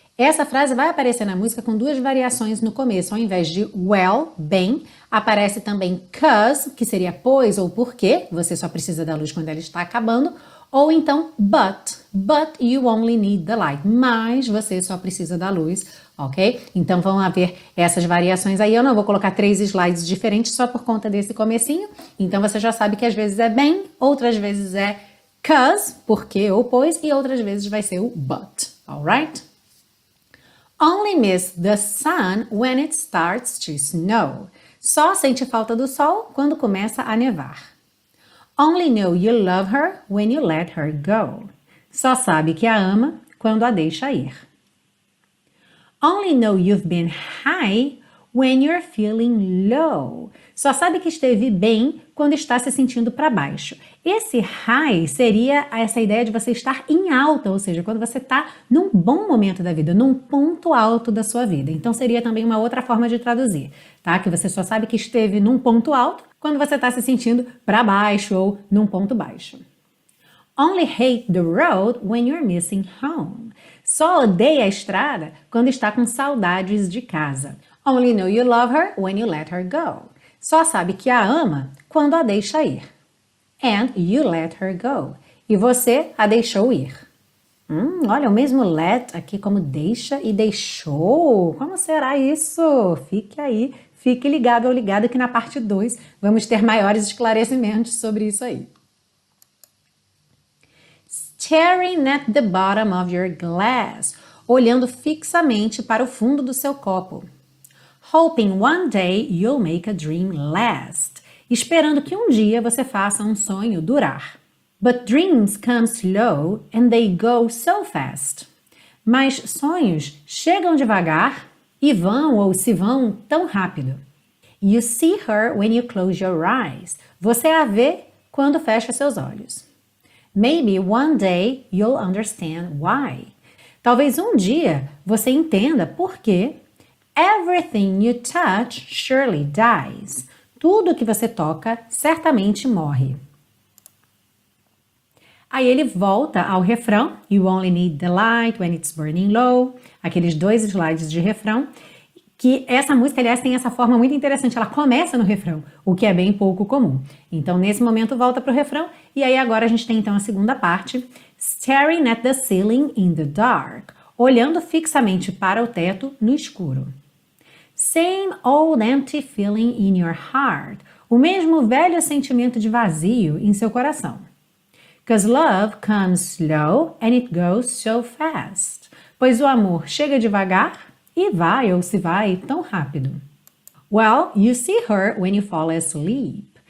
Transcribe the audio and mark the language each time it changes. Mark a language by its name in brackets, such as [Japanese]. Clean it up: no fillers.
[Portuguese] Essa frase vai aparecer na música com duas variações no começo. Ao invés de well, bem, aparece também cause, que seria pois ou porque, você só precisa da luz quando ela está acabando, ou então [English] but you only need the light, [Portuguese] mas você só precisa da luz, ok? Então vão haver essas variações aí. Eu não vou colocar três slides diferentes só por conta desse comecinho. Então você já sabe que às vezes é bem, outras vezes é cause, porque ou pois, e outras vezes vai ser o but, alright? [English] Only miss the sun when it starts to snow. [Portuguese] Só sente falta do sol quando começa a nevar. [English] Only know you love her when you let her go. [Portuguese] Só sabe que a ama quando a deixa ir. [English] Only know you've been high when you're feeling low. [Portuguese] Só sabe que esteve bem quando está se sentindo para baixo. Esse high seria essa ideia de você estar em alta, ou seja, quando você está num bom momento da vida, num ponto alto da sua vida. Então seria também uma outra forma de traduzir, tá? Que você só sabe que esteve num ponto alto quando você está se sentindo para baixo ou num ponto baixo. [English] Only hate the road when you're missing home. [Portuguese] Só odeia a estrada quando está com saudades de casa. [English] Only know you love her when you let her go. [Portuguese] Só sabe que a ama quando a deixa ir. [English] And you let her go. [Portuguese] E você a deixou ir. Olha, o mesmo let aqui como deixa e deixou. Como será isso? Fique aí, fique ligado ou ligada que na parte 2 vamos ter maiores esclarecimentos sobre isso aí. [English] Staring at the bottom of your glass. [Portuguese] Olhando fixamente para o fundo do seu copo. [English] Hoping one day you'll make a dream last. [Portuguese] Esperando que um dia você faça um sonho durar. [English] But dreams come slow and they go so fast. [Portuguese] Mas sonhos chegam devagar e vão ou se vão tão rápido. [English] You see her when you close your eyes. [Portuguese] Você a vê quando fecha seus olhos. [English] Maybe one day you'll understand why. [Portuguese] Talvez um dia você entenda por quê. [English] Everything you touch surely dies. [Portuguese] Tudo que você toca certamente morre. Aí ele volta ao refrão, [English] you only need the light when it's burning low, [Portuguese] aqueles dois slides de refrão, que essa música, aliás, tem essa forma muito interessante, ela começa no refrão, o que é bem pouco comum. Então, nesse momento, volta para o refrão, e aí agora a gente tem então a segunda parte, [English] staring at the ceiling in the dark, [Portuguese] olhando fixamente para o teto no escuro. [English] Same old empty feeling in your heart, [Portuguese] o mesmo velho sentimento de vazio em seu coração. [English] Because love comes slow and it goes so fast. [Portuguese] Pois o amor chega devagar e vai ou se vai tão rápido. [English] Well, you see her when you fall asleep.